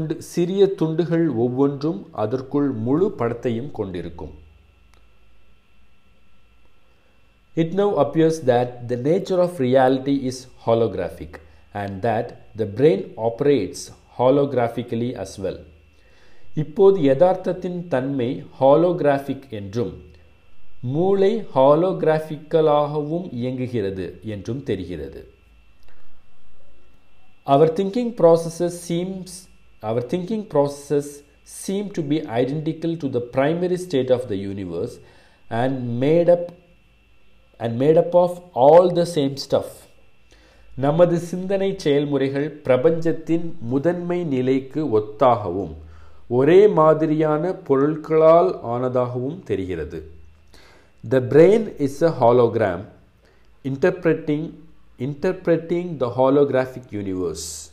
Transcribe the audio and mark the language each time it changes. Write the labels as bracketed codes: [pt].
[ta] சிறிய துண்டுகள் ஒவ்வொன்றும் அதற்குள் முழு படத்தையும் கொண்டிருக்கும். [en] It now appears that the nature of reality is holographic and that the brain operates holographically as well. [ta] இப்போது யதார்த்தத்தின் தன்மை ஹாலோகிராஃபிக் என்றும் மூளை ஹாலோகிராஃபிக்கலாகவும் இயங்குகிறது என்றும் தெரிகிறது. [en] Our thinking processes seem to be identical to the primary state of the universe and made up of all the same stuff. [ta] நமது சிந்தனை செயல்முறைகள் பிரபஞ்சத்தின் முதன்மை நிலைக்கு ஒத்தாகவும் ஒரே மாதிரியான பொருட்களால் ஆனதாகவும் தெரிகிறது. [en] The brain is a hologram interpreting the holographic universe.